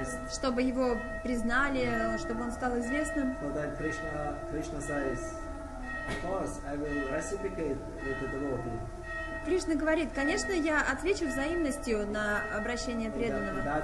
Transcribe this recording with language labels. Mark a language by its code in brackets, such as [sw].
[ru] чтобы его признали, чтобы он стал известным. [en] So that Krishna says, of course, I will reciprocate with the devotee. [ru] Кришна говорит, конечно, я отвечу взаимностью на обращение преданного.